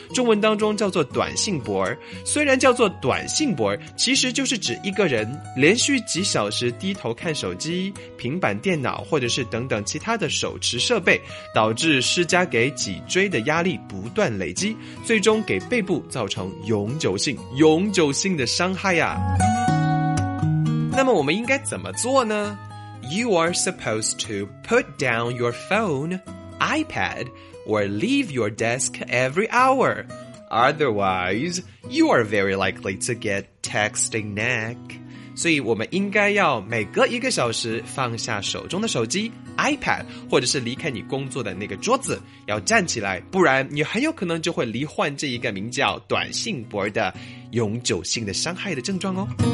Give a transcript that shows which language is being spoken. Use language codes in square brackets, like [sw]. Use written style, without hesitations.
[zh] 中文当中叫做短信脖，虽然叫做短信脖，其实就是指一个人连续几小时低头看手机、平板电脑或者是等等其他的手持设备，导致施加给脊椎的压力不断累积，最终给背部造成永久性的伤害呀。那么我们应该怎么做呢？ [en] You are supposed to put down your phone, iPad,or leave your desk every hour. Otherwise, you are very likely to get texting neck. [zh] 所以我们应该要每隔一个小时放下手中的手机 iPad 或者是离开你工作的那个桌子，要站起来，不然你很有可能就会罹患这一个名叫短信脖的永久性的伤害的症状哦。